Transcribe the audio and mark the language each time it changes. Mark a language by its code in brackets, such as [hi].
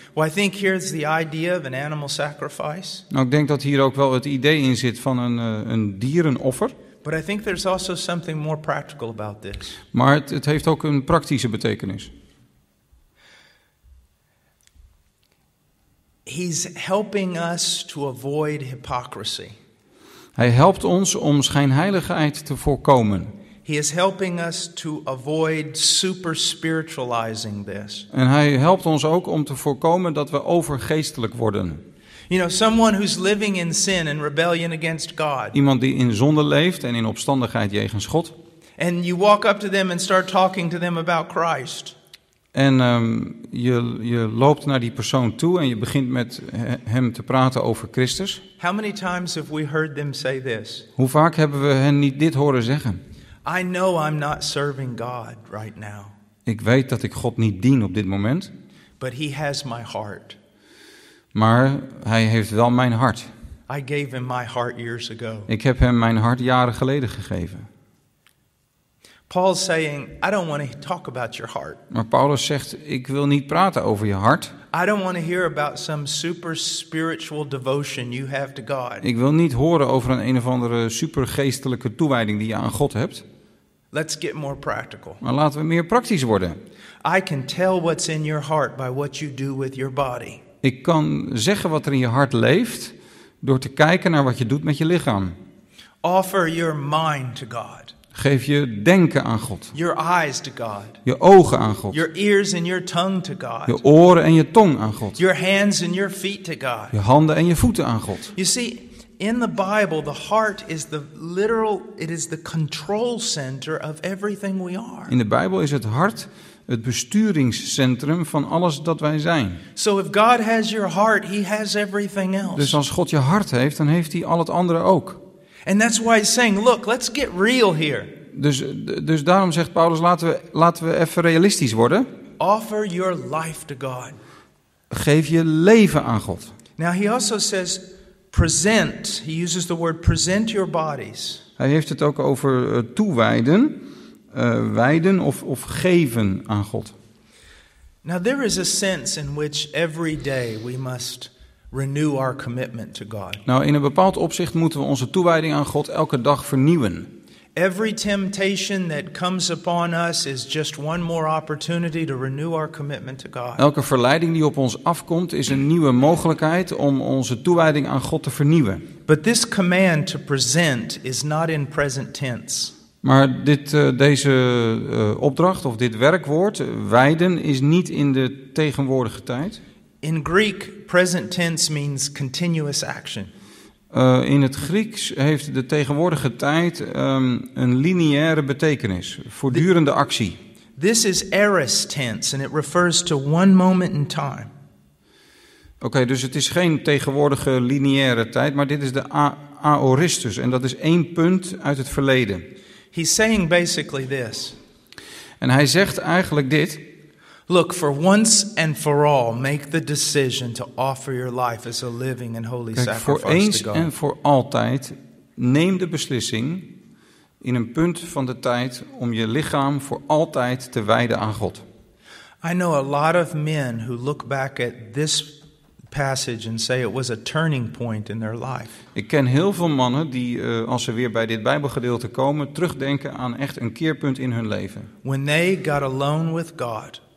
[en] Well, I think here is the idea of an animal sacrifice. [nl] Nou, ik denk dat hier ook wel het idee in zit van een dierenoffer. [en] But I think there's also something more practical about this. [nl] Maar het heeft ook een praktische betekenis. [en] He's helping us to avoid hypocrisy. [nl] Hij helpt ons om schijnheiligheid te voorkomen. [en] He is helping us to avoid super spiritualizing this. [nl] En hij helpt ons ook om te voorkomen dat we overgeestelijk worden. [en] You know, someone who's living in sin and rebellion against God. [nl] Iemand die in zonde leeft en in opstandigheid jegens God. [en] And you walk up to them and start talking to them about Christ. [nl] En je loopt naar die persoon toe en je begint met hem te praten over Christus. [en] How many times have we heard them say this? [nl] Hoe vaak hebben we hen niet dit horen zeggen? [en] I know I'm not serving God right now. [nl] Ik weet dat ik God niet dien op dit moment. [en] But he has my heart. [nl] Maar hij heeft wel mijn hart. [en] I gave him my heart years ago. [nl] Ik heb hem mijn hart jaren geleden gegeven. [en] Paul's saying, I don't want to talk about your heart. [nl] Maar Paulus zegt, ik wil niet praten over je hart. [en] I don't want to hear about some super spiritual devotion you have to God. [nl] Ik wil niet horen over een of andere supergeestelijke toewijding die je aan God hebt. [en] Let's get more practical. [nl] Maar laten we meer praktisch worden. [en] I can tell what's in your heart by what you do with your body. [nl] Ik kan zeggen wat er in je hart leeft door te kijken naar wat je doet met je lichaam. [en] Offer your mind to God. [nl] Geef je denken aan God. [en] Your eyes to God. [nl] Je ogen aan God. [en] Your ears and your tongue to God. [nl] Je oren en je tong aan God. [en] Your hands and your feet to God. [nl] Je handen en je voeten aan God. [en] You see, in the Bible, the heart is the literal, it is the control center of everything we are. [nl] In de Bijbel is het hart het besturingscentrum van alles dat wij zijn. [en] So if God has your heart, he has everything else. [nl] Dus als God je hart heeft, dan heeft hij al het andere ook. [en] And that's why he's saying, look, let's get real here. [nl] Dus daarom zegt Paulus, laten we even realistisch worden. [en] Offer your life to God. [nl] Geef je leven aan God. [en] Now he also says, present. He uses the word present your bodies. [nl] Hij heeft het ook over toewijden, wijden of geven aan God. [en] Now there is a sense in which every day we must renew our commitment to God. [nl] Nou, in een bepaald opzicht moeten we onze toewijding aan God elke dag vernieuwen. [en] Every temptation that comes upon us is just one more opportunity to renew our commitment to God. [nl] Elke verleiding die op ons afkomt is een nieuwe mogelijkheid om onze toewijding aan God te vernieuwen. [en] But this command to present is not in present tense. [nl] Maar deze opdracht of dit werkwoord wijden is niet in de tegenwoordige tijd. [en] In Greek, present tense means continuous action. [nl] In het Grieks heeft de tegenwoordige tijd een lineaire betekenis, voortdurende actie. [en] This is aorist tense and it refers to one moment in time. [nl] Oké, dus het is geen tegenwoordige lineaire tijd, maar dit is de aoristus, en dat is één punt uit het verleden. [en] He's saying basically this. [nl] En hij zegt eigenlijk dit. [en] Look, for once and for all, make the decision to offer your life as a living and holy sacrifice to God. [nl] Kijk, voor eens en voor altijd, neem de beslissing in een punt van de tijd om je lichaam voor altijd te wijden aan God. [en] I know a lot of men who look back at this passage and say it was a turning point in their life. [nl] Ik ken heel veel mannen die als ze weer bij dit Bijbelgedeelte komen terugdenken aan echt een keerpunt in hun leven. [en] When they got alone with God.